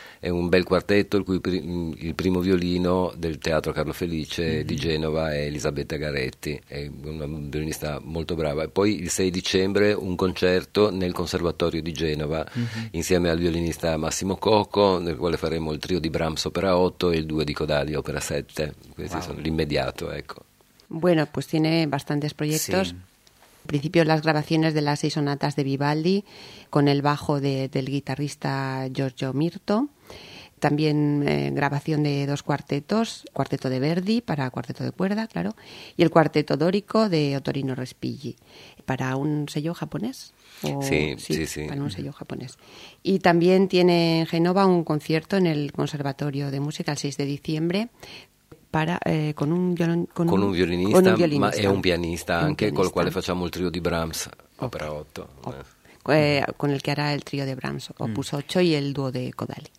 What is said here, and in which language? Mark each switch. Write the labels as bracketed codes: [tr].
[it] È un bel quartetto il primo violino del Teatro Carlo Felice di Genova è Elisabetta Garetti, è una violinista molto brava. E poi il 6 dicembre un concerto nel Conservatorio di Genova insieme al violinista Massimo Coco, nel quale faremo il trio di Brahms opera 8 e il 2 di Codali opera 7. Questi sono l'immediato, ecco. [es] Bueno, pues tiene bastantes proyectos. Sì. En principio las grabaciones de las 6 sonatas de Vivaldi con el bajo del guitarrista Giorgio Mirto. También grabación de 2 cuartetos, cuarteto de Verdi para cuarteto de cuerda, claro, y el cuarteto dórico de Ottorino Respighi para un sello japonés. Sí, para un sello japonés. Y también tiene en Génova un concierto en el Conservatorio de Música el 6 de diciembre. Con un violinista, [it] ma è un pianista anche, con il quale facciamo il trio di Brahms, opera 8. Con il che hará il trio di Brahms, opus 8 e il duo di Codali.